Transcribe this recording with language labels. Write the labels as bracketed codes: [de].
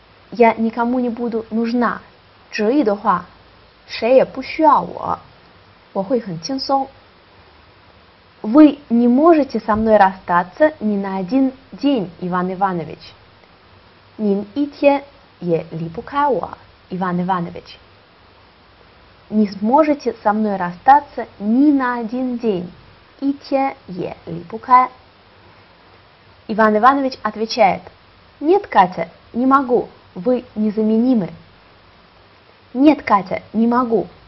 [ru] Я никому не буду нужна. [zh] 至于的话, 谁也不需要我, 我会很轻松. [ru] Вы не можете со мной расстаться ни на один день, Иван Иванович. [zh] 您一天也离不开我, Иван Иванович. [ru] Не сможете со мной расстаться ни на один день. [zh] 一天也离不开. [ru] Иван Иванович отвечает. Нет, Катя, не могу, вы незаменимы. Нет, Катя, не могу.